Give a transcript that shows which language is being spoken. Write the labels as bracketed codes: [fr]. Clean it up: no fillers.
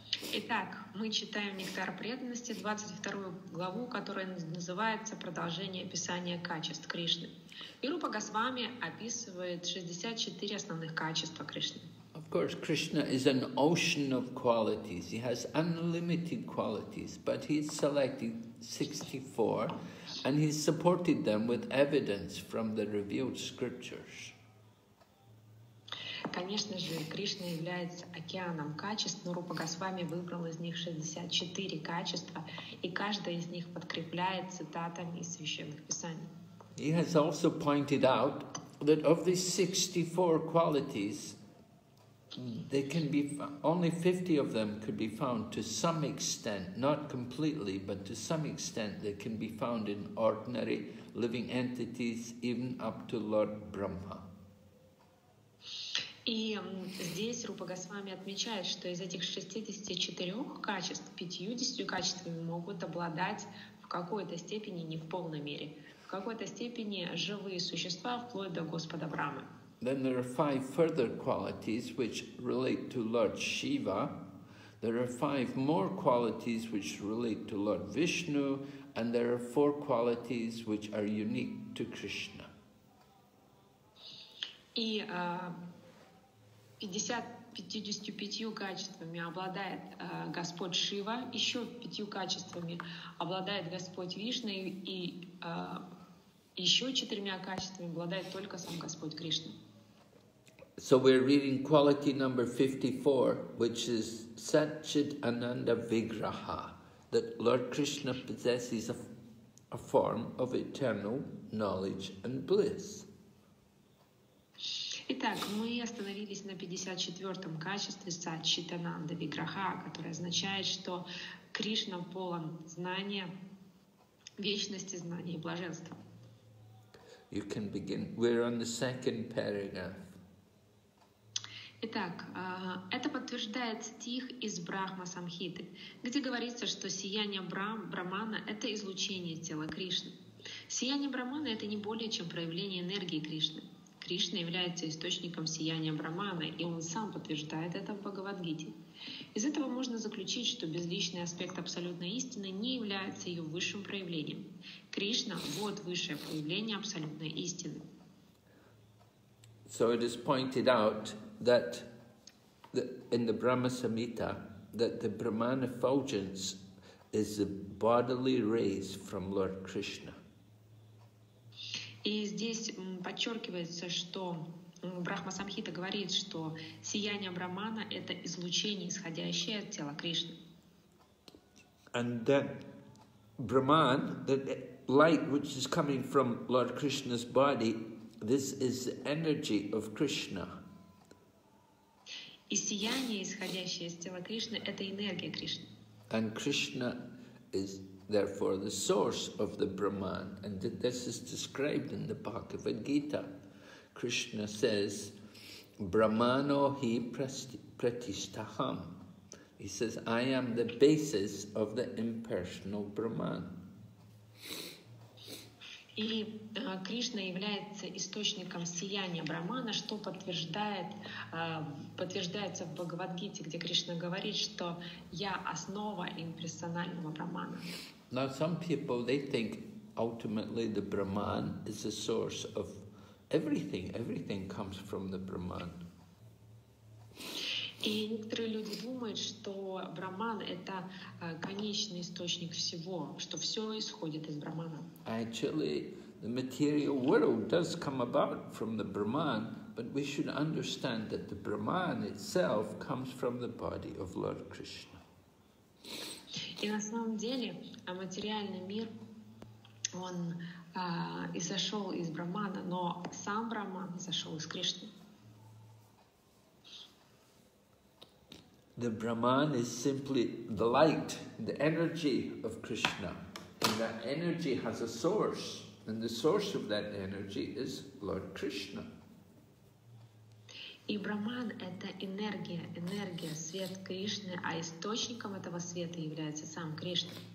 [ru] Итак, мы читаем «Нектар преданности», 22 главу, которая называется «Продолжение описания качеств Кришны». И Рупа Госвами описывает 64 основных качества Кришны. [en] Of course, Krishna is an ocean of qualities. He has unlimited qualities, but he's selected 64, and he's supported them with evidence from the revealed scriptures. [ru] Конечно же, Кришна является океаном качеств, но Рупа Госвами выбрал из них 64 качества, и каждая из них подкрепляет цитатами из священных писаний. [en] He has also pointed out that of these 64 qualities, they can be only 50 of them could be found to some extent, not completely, but to some extent they can be found in ordinary living entities, even up to Lord Brahma. [ru] И здесь Рупа Госвами отмечает, что из этих 64 качеств, 50 качествами могут обладать в какой-то степени, не в полной мере, в какой-то степени живые существа, вплоть до Господа Брамы. [en] Then there are five further qualities which relate to Lord Shiva. There are five more qualities which relate to Lord Vishnu. And there are four qualities which are unique to Krishna. [ru] И 55 качествами обладает Господь Шива, еще 5 качествами обладает Господь Вишна, и еще 4 качествами обладает только сам Господь Кришна. [en] So we're reading quality number 54, which is Satchit Ananda Vigraha, that Lord Krishna possesses a form of eternal knowledge and bliss. [ru] Итак, мы остановились на 54-м качестве Сат-Читананда Виграха, которое означает, что Кришна полон знания, вечности знания и блаженства. [en] You can begin. We're on the second paragraph. [ru] Итак, это подтверждает стих из Брахма-самхиты, где говорится, что сияние Брахмана — это излучение тела Кришны. Сияние Брахмана — это не более чем проявление энергии Кришны. Кришна является источником сияния Брахмана, и он сам подтверждает это в Бхагавадгите. Из этого можно заключить, что безличный аспект абсолютной истины не является ее высшим проявлением. Кришна — вот высшее проявление абсолютной истины. [en] So it is pointed out that in the Brahma Samhita, that the Brahman effulgence is the bodily rays from Lord Krishna. [ru] И здесь подчеркивается, что Брахма Самхита говорит, что сияние Брахмана — это излучение, исходящее от тела Кришны. [en] And then Brahman, the light which is coming from Lord Krishna's body, this is the energy of Krishna. [ru] И сияние, исходящее из тела Кришны — это энергия Кришны. [en] And Krishna is therefore the source of the Brahman, and this is described in the Bhagavad Gita. Krishna says, [sa] Brahmano hi pratishtaham. [en] He says, I am the basis of the impersonal Brahman. [ru] Или Кришна является источником сияния Брахмана, что подтверждает, подтверждается в Бхагавадгите, где Кришна говорит, что я основа имперсонального Брахмана. [en] Now some people, they think ultimately the Brahman is the source of everything. Everything comes from the Brahman. [ru] И некоторые люди думают, что Брахман — это конечный источник всего, что все исходит из Брахмана. [en] Actually, the material world does come about from the Brahman, but we should understand that the Brahman itself comes from the body of Lord Krishna. [ru] И на самом деле материальный мир, он изошел из Брахмана, но сам Брахман изошел из Кришны. [en] The Brahman is simply the light, the energy of Krishna. And that energy has a source, and the source of that energy is Lord Krishna. [ru] И Брахман — это энергия, энергия, свет Кришны, а источником этого света является сам Кришна.